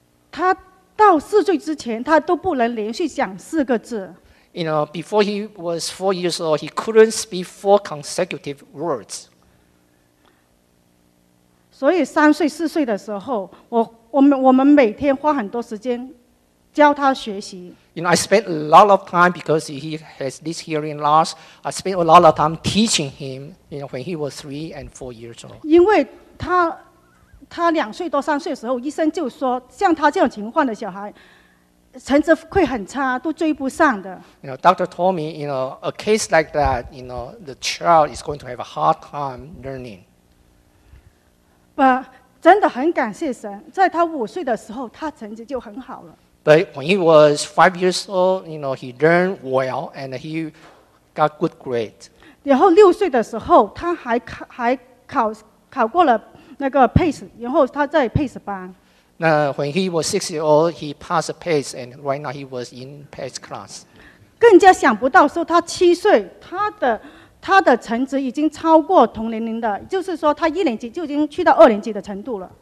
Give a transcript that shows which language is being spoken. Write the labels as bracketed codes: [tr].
[zh] 他到四岁之前，他都不能连续讲四个字。 [en] You know, before he was 4 years old, he couldn't speak four consecutive words. [zh] 所以三岁、四岁的时候，我们每天花很多时间教他学习。 [en] You know, I spent a lot of time because he has this hearing loss. I spent a lot of time teaching him. You know, when he was 3 and 4 years old. [zh] 因为他两岁多三岁的时候，医生就说，像他这种情况的小孩，成绩会很差，都追不上的。 [en] You know, doctor told me, you know, a case like that, you know, the child is going to have a hard time learning. [zh] But 真的很感谢神，在他五岁的时候，他成绩就很好了。 [en] But when he was 5 years old, you know, he learned well and he got good grades. [zh] 然后六岁的时候，他还考过了。那个 PACE， 然后他在 PACE 班。 [en] 那 when he was 6 years old, he passed PACE, and right now he was in PACE class. [zh] 更加想不到说他七岁，他的成绩已经超过同年龄的，就是说他一年级就已经去到二年级的程度了。